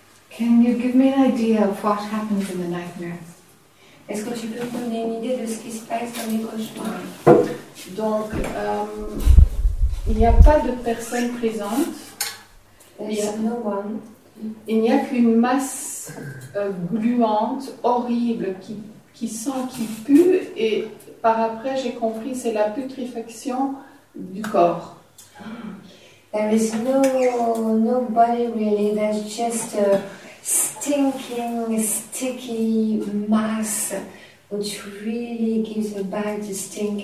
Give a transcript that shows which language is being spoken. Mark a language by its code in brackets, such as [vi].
[en] Can you give me an idea of what happens in the nightmare? [fr] Est-ce que tu peux me donner une idée de ce qui se passe dans les cauchemars? Donc, il n'y a pas de personne présente. Il n'y a qu'une masse gluante, horrible, qui sent, qui pue. Et par après, j'ai compris, c'est la putréfaction du corps. [en] There is no body really. There's just a stinking, sticky mass, which really gives a bad stink.